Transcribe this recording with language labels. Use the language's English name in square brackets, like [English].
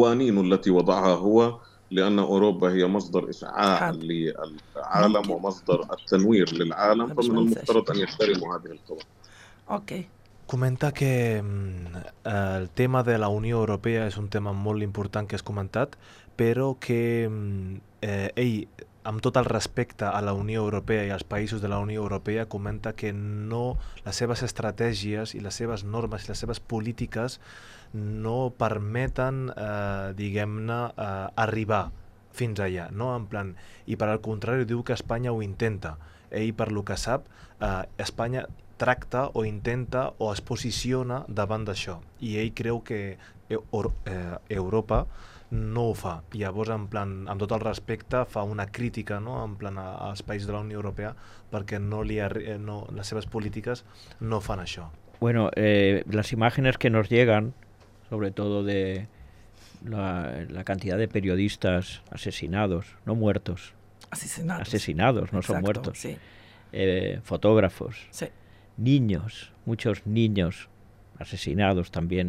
[Arabic] لأن أوروبا هي مصدر إشعاع للعالم ومصدر التنوير للعالم، فمن المفترض أن يحترموا هذه القوانين. أوكي. [Catalan] Comenta que el tema de la Unió Europea és un tema molt important que has comentat, però que ell, amb tot el respecte a la Unió Europea i als països de la Unió Europea, comenta que no, les seves estratègies i les seves normes i les seves polítiques no permeten, diguem-ne, arribar fins allà, no? En plan, i per al contrari, diu que Espanya ho intenta. Ell, per lo que sap, Espanya tracta o intenta o es posiciona davant d'això, i ell creu que Europa no ho fa. Llavors, en plan, amb tot el respecte, fa una crítica, no? En plan, als països de la Unió Europea, perquè no, les seves polítiques no fan això. [Spanish] Bueno, [Catalan] les imatges [Spanish] que nos llegan, sobre todo de la cantidad de periodistas asesinados, no muertos. Asesinados, no son muertos. Sí. Fotógrafos. Sí. Niños, muchos niños asesinados también.